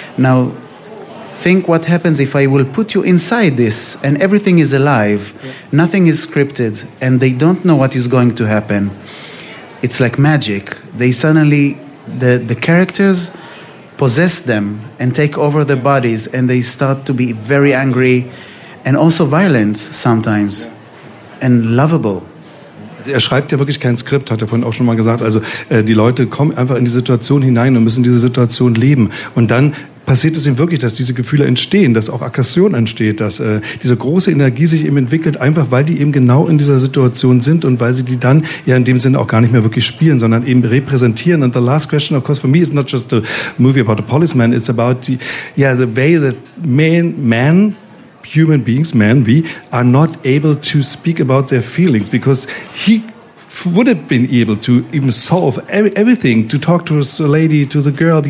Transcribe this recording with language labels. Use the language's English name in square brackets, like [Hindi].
[English] Now, think what happens if I will put you inside this and everything is alive, nothing is scripted, and they don't know what is going to happen. It's like magic. They suddenly, the characters possess them and take over their bodies, and they start to be very angry and also violent sometimes and lovable. [German] Er schreibt ja wirklich kein Skript, hat er vorhin auch schon mal gesagt. Also die Leute kommen einfach in die Situation hinein und müssen diese Situation leben. Und dann passiert es ihm wirklich, dass diese Gefühle entstehen, dass auch Aggression entsteht, dass diese große Energie sich eben entwickelt, einfach weil die eben genau in dieser Situation sind und weil sie die dann ja in dem Sinne auch gar nicht mehr wirklich spielen, sondern eben repräsentieren. [English] And the last question, of course, for me is not just a movie about a policeman, it's about the way that men, human beings, men, we are not able to speak about their feelings, because he would have been able to even solve everything, to talk to his lady, to the girl.